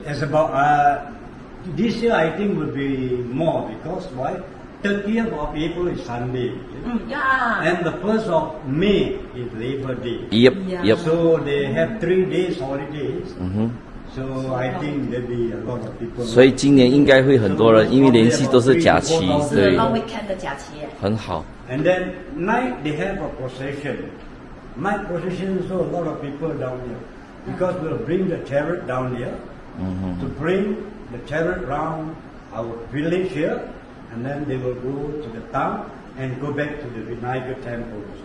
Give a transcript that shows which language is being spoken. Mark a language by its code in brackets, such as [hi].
[en] It's about this year I think will be more because why? 30th of April is Sunday. And the 1st of May is Labor Day. Yep. So they have 3 days holidays. So I think there'll be a lot of people. [zh] 所以今年应该会很多人，因为连续都是假期，对。 [en] Long weekend [zh] 的假期。很好。 [en] And then night they have a procession. Night procession so a lot of people down here, because we'll bring the chariot down here to bring the chariot round our village here. And then they will go to the town and go back to the Vinayaka temple.